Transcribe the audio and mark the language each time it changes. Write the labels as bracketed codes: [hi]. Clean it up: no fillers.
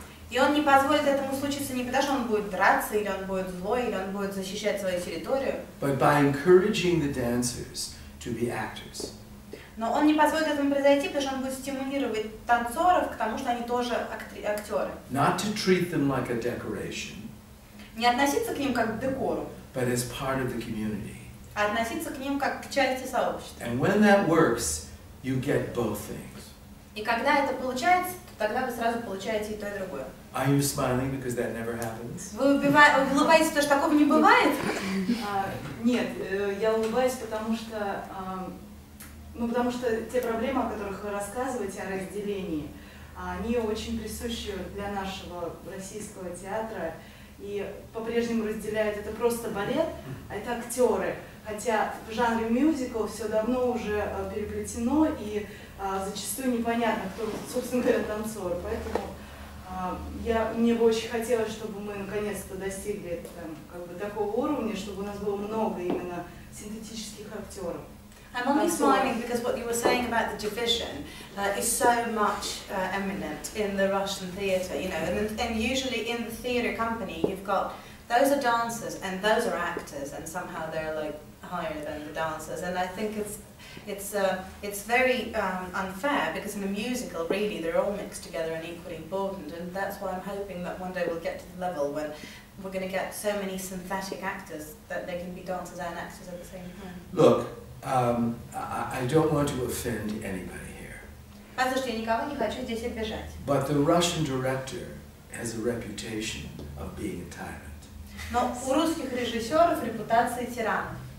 [ru] И он не позволит этому случиться не потому, что он будет драться, или он будет злой, или он будет защищать свою территорию. [en] But by encouraging the dancers to be actors. [ru] Но он не позволит этому произойти, потому что он будет стимулировать танцоров к тому, что они тоже актеры. [en] Not to treat them like a decoration. [ru] Не относиться к ним как к декору. [en] But as part of the community. [ru] А относиться к ним как к части сообщества. [en] And when that works, you get both things. [ru] И когда это получается, то тогда вы сразу получаете и то, и другое. [en] Are you smiling because that never happens? [ru] Вы улыбаетесь, потому что такого не бывает? Нет, я улыбаюсь, потому что... Ну, потому что те проблемы, о которых вы рассказываете, о разделении, они очень присущи для нашего российского театра и по-прежнему разделяют это просто балет, а это актеры. Хотя в жанре мюзикл все давно уже переплетено и зачастую непонятно, кто, собственно говоря, танцор. Поэтому мне бы очень хотелось, чтобы мы наконец-то достигли там, как бы, такого уровня, чтобы у нас было много именно синтетических актеров. [en] I'm only smiling because what you were saying about the division is so much eminent in the Russian theatre, you know, and usually in the theatre company you've got those are dancers and those are actors and somehow they're like higher than the dancers, and I think it's very unfair because in a musical really they're all mixed together and equally important, and that's why I'm hoping that one day we'll get to the level when we're going to get so many synthetic actors that they can be dancers and actors at the same time. Look. I don't want to offend anybody here. [ru] Послушайте, я никого не хочу здесь обижать. [en] But the Russian director has a reputation of being a tyrant. [ru] Но у русских режиссеров репутация тирана.